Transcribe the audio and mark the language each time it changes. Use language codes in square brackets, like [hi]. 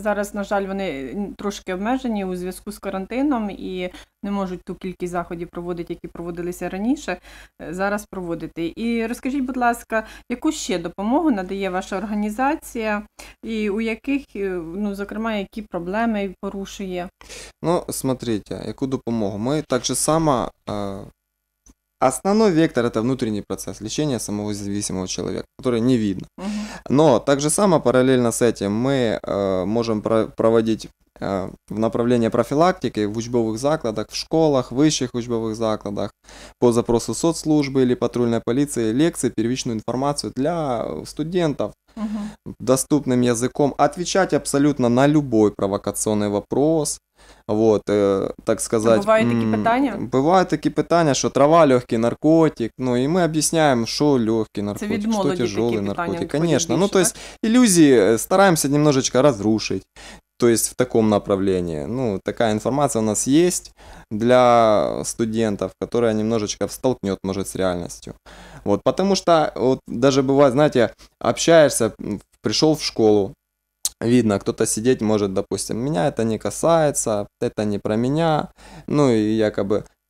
[uk] Зараз, на жаль, вони трошки обмежені у зв'язку з карантином і не можуть ту кількість заходів проводити, які проводилися раніше, зараз проводити. І розкажіть, будь ласка, яку ще допомогу надає ваша організація і у яких, ну, зокрема, які проблеми порушує? [ru] Ну, смотрите, [uk] яку допомогу? Ми [ru] так же само... Основной вектор – это внутренний процесс лечения самого зависимого человека, который не видно. Но так же само параллельно с этим мы можем проводить в направлении профилактики в учебовых закладах, в школах, высших учебовых закладах, по запросу соцслужбы или патрульной полиции, лекции, первичную информацию для студентов. Доступным языком отвечать абсолютно на любой провокационный вопрос – [uk] От, так сказати. А бувають такі питання? Бувають такі питання, що трава – легкий наркотик. Ну, і ми об'ясняємо, що легкий наркотик, що тяжелий наркотик. Звісно, ну, то есть, ілюзії стараємося немножечко розрушити. [ru] То есть в таком направлении. Ну, такая информация у нас есть для студентов, которая немножечко столкнет, может, с реальностью. Вот, потому что вот, даже бывает, знаете, общаешься, пришел в школу, видно, кто-то сидеть может, допустим, меня это не касается, это не про меня, ну и якобы...